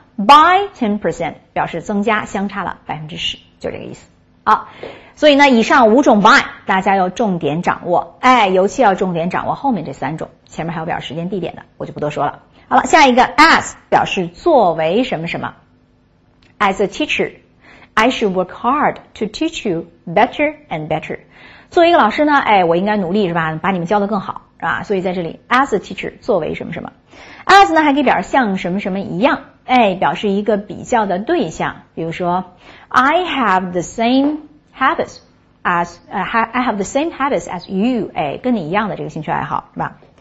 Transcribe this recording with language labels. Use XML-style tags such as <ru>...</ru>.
<zh>by 10% 表示增加相差了 10%， 就这个意思。好，所以呢，以上五种 by 大家要重点掌握，哎，尤其要重点掌握后面这三种，前面还有表示时间地点的，我就不多说了。好了，下一个 as 表示作为什么什么。</zh> <en>As a teacher, I should work hard to teach you better and better.</en> <zh>作为一个老师呢，哎，我应该努力，是吧，把你们教得更好，是吧？所以在这里 as a teacher 作为什么什么。as 呢还可以表示像什么什么一样，哎，表示一个比较的对象，比如说</zh> <en>I have the same habits as I have the same habits as you，</en> <zh>哎，跟你一样的这个兴趣爱好，是吧？</zh>